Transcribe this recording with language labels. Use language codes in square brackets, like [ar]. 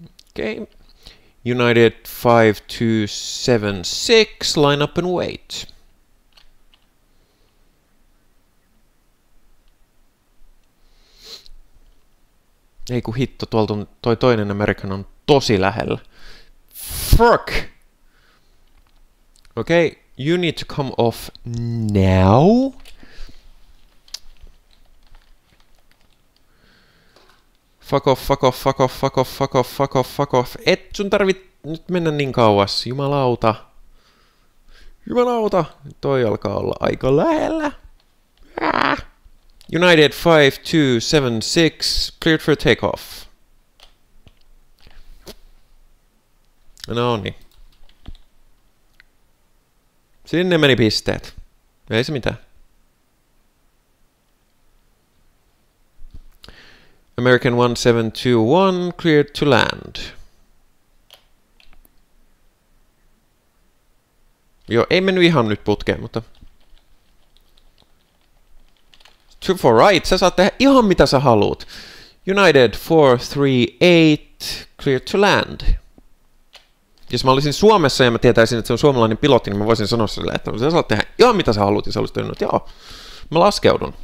[en] Okei. Okay. United 5276, line up and wait. [fi] Ei ku hitto, tuolta on toi toinen Amerikan on tosi lähellä. [en] Fuck! Okei, okay, you need to come off now. Fuck off, fuck off, fuck off, fuck off, fuck off, fuck off, fuck off. [fi] Et sun tarvit nyt mennä niin kauas, jumalauta. Jumalauta, toi alkaa olla aika lähellä. [en] United 5276, cleared for takeoff. [fi] No niin. Sinne meni pisteet. Ei se mitään. [en] American 1721, cleared to land. [fi] Joo, ei mennyt ihan nyt putkeen, mutta... [en] 24 right, [fi] sä saat tehdä ihan mitä sä haluut. [en] United 438, clear to land. [fi] Jos mä olisin Suomessa ja mä tietäisin, että se on suomalainen pilotti, niin mä voisin sanoa sille, että sä saat tehdä ihan mitä sä haluut, ja sä olisit tehnyt, joo, mä laskeudun.